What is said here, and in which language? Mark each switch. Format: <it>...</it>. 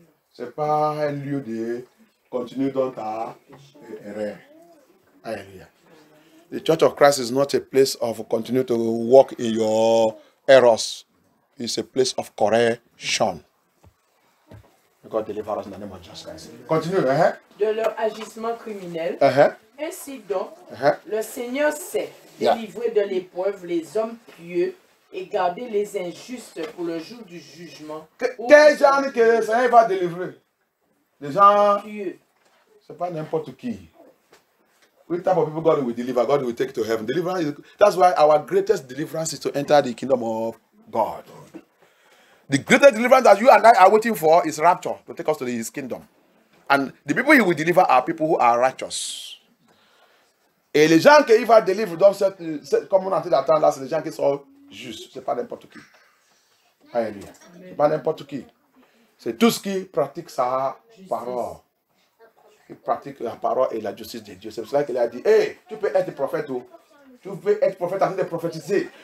<fr>Ce n'est pas un lieu de continuer dans ta erreur. Alléluia.</fr> <en>The Church of Christ is not a place of continue to walk in your errors. It's a place of correction. God deliver us in the name of Jesus Christ. Continue.</en> <fr>De leur agissement criminel. Ainsi donc, le Seigneur sait délivrer de l'épreuve les hommes pieux et garder les injustes pour le jour du jugement. Quel genre que le Seigneur va délivrer? Les gens pieux. C'est pas n'importe qui.</fr> <en>Which type of people God will deliver? God will take to heaven. Deliverance is, that's why our greatest deliverance is to enter the kingdom of God. The greatest deliverance that you and I are waiting for is rapture to take us to his kingdom. And the people he will deliver are people who are righteous.</en> <fr>Et les gens qu'il va délivrer, comme on a dit d'attendre, c'est les gens qui sont juste, c'est pas n'importe qui. Alléluia. C'est pas n'importe qui. C'est tout ce qui pratique sa parole. Qui pratique la parole et la justice de Dieu. C'est pour cela qu'il a dit, hey, tu peux être prophète ou tu peux être prophète en train de prophétiser.</fr>